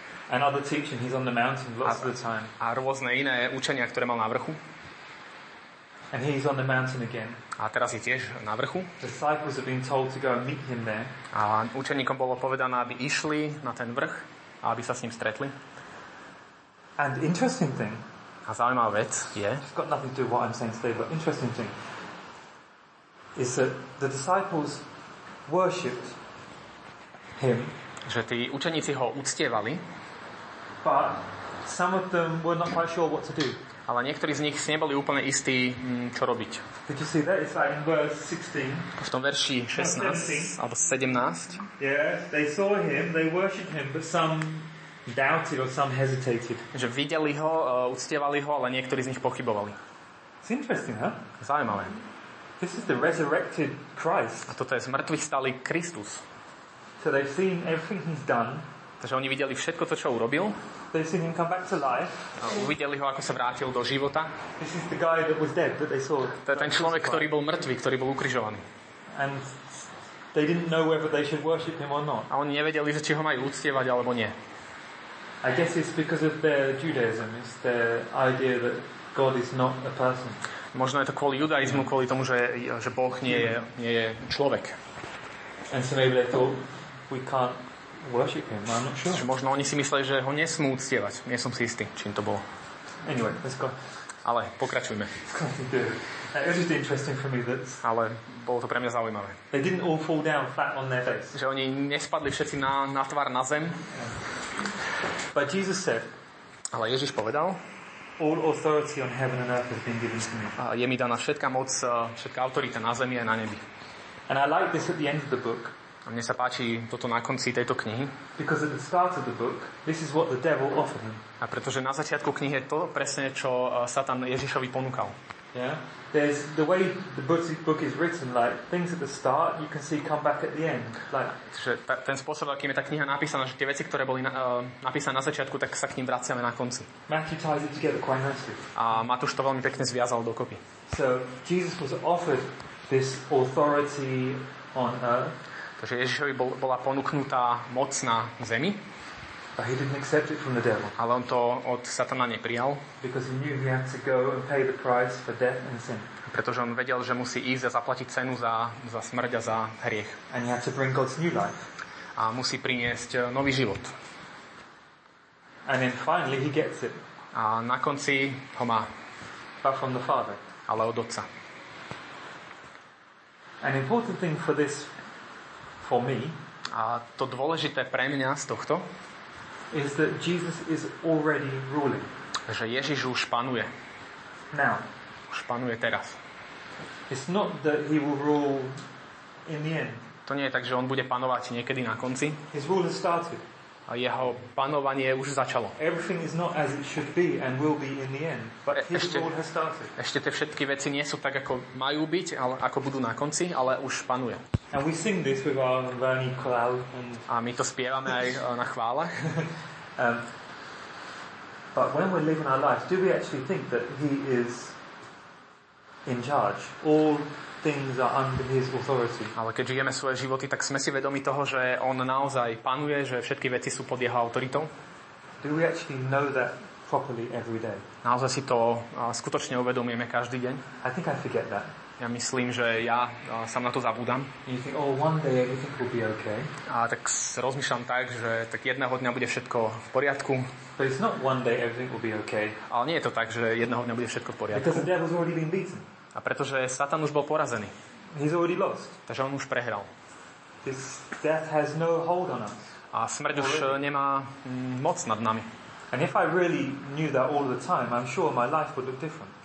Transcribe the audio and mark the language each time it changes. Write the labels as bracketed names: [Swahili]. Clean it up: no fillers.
[English] And other teaching, he's on the mountain lots of the time. [Slovak] A rôzne iné učenia, ktoré mal na vrchu. [English] And he's on the mountain again. [Slovak] A teraz je tiež na vrchu. [English] The disciples have been told to go and meet him there. [Slovak] A učeníkom bolo povedané, aby išli na ten vrch, aby sa s ním stretli. [English] And interesting thing. [Slovak] A zaujímavá vec je. [English] It's got nothing to do with what I'm saying today, but interesting thing. Is that the disciples worshipped him? [Slovak] Že tí učeníci ho uctievali. [English] But some of them were not quite sure what to do. [Slovak] Ale niektorí z nich si neboli úplne istí, čo robiť. [English] Did you see that? It's like in verse 16. [Slovak] V tom verši 16 alebo 17. [English] Yeah, they saw him, they worshipped him, but some doubted or some hesitated. [Slovak] Že videli ho, uctievali ho, ale niektorí z nich pochybovali. [English] It's interesting, huh? [Slovak] Zaujímavé. [English] This is the resurrected Christ. [Slovak] A toto je zmrtvých stály Kristus. [English] So they've seen everything he's done. [Slovak] Takže oni videli všetko to, čo urobil. [English] They've seen him come back to life. [Slovak] A uvideli ho, ako sa vrátil do života. [English] This is the guy that was dead, that they saw. [Slovak] To je ten človek, ktorý bol mŕtvy, ktorý bol ukrižovaný. [English] And they didn't know whether they should worship him or not. [Slovak] A oni nevedeli, či ho majú uctievať alebo nie. [English] I guess it's because of their Judaism. It's their idea that God is not a person. [Slovak] Možno je to kvôli judaizmu, kvôli tomu, že Boh nie je človek. [English] And so maybe they thought we can't worship him. I'm not sure. [Slovak] Možno oni si mysleli, že ho nesmú uctievať. Nie som si istý, čím to bolo. [English] Anyway, let's go. [Slovak] Ale pokračujme. [English] It's just interesting for me that. [Slovak] Ale bolo to pre mňa zaujímavé. [English] They didn't all fall down flat on their face. [Slovak] Že oni nespadli všetci na tvár na zem. [English] But Jesus said. [Slovak] Ale Ježiš povedal. [English] All authority on heaven and earth has been given to me. [Slovak] A je mi daná všetká moc, všetká autorita na zemi a na nebi. [English] And I like this at the end of the book. [Slovak] A mne sa páči toto na konci tejto knihy. [English] Because at the start of the book, this is what the devil offered him. [Slovak] A pretože na začiatku knihy je to presne, čo Satan Ježišovi ponúkal. [English] Yeah. There's the way the book is written, like things at the start you can see come back at the end. Like [Slovak] ten spôsob, akým je tá kniha napísaná, že tie veci, ktoré boli napísané na začiatku, tak sa k ním vraciame na konci. [English] Matthew ties it together quite nicely. [Slovak] A Matúš to veľmi pekne zviazal dokopy. [English] So Jesus was offered this authority on earth. [Slovak] Takže Ježišovi bola ponúknutá moc na zemi. [English] But he didn't accept it from the devil. [Slovak] Ale on to od Satana neprijal. [English] Because he knew he had to go and pay the price for death and sin. [Slovak] Pretože on vedel, že musí ísť a zaplatiť cenu za smrť a za hriech. [English] And he had to bring God's new life. [Slovak] A musí priniesť nový život. [English] And then finally he gets it. [Slovak] A na konci ho má. [English] But from the Father. [Slovak] Ale od Otca. [English] An important thing for this, for me. [Slovak] A to dôležité pre mňa z tohto. [English] Is that Jesus is already ruling. [Slovak] Že Ježiš už panuje. [English] Now. [Slovak] Už panuje teraz. [English] It's not that he will rule in the end. [Slovak] To nie je tak, že on bude panovať niekedy na konci. [English] His rule has started. [Slovak] jeho panovanie už začalo. [English] Everything is not as it should be and will be in the end, but his rule has started. [Slovak] Ešte tie všetky veci nie sú tak, ako majú byť, ale ako budú na konci, ale už panuje. [English] And we sing this with our Vernie Cloud and [Slovak] a my to spievame aj na chvále. [English] But when we're living our lives, do we actually think that he is in charge? All things are under his authority. [Slovak] Ale keď žijeme svoje životy, tak sme si vedomi toho, že on naozaj panuje, že všetky veci sú pod jeho autoritou? [English] Do we actually know that properly every day? [Slovak] Naozaj si to skutočne uvedomujeme každý deň? [English] I think I forget that. [Slovak] Ja myslím, že ja sa na to zabúdam. [English] You think, oh, one day everything will be okay. [Slovak] A tak rozmýšľam tak, že tak jedného dňa bude všetko v poriadku. [English] But it's not one day everything will be okay. [Slovak] Ale nie je to tak, že jedného dňa bude všetko v poriadku. [English] Because the devil's already been beaten. [Slovak] A pretože Satan už bol porazený. [English] He's already lost. [Slovak] Takže on už prehral. [English] His death has no hold on us. [Slovak] A smrť už nemá moc nad nami. [English] And if I really knew that all the time, I'm sure my life would look different.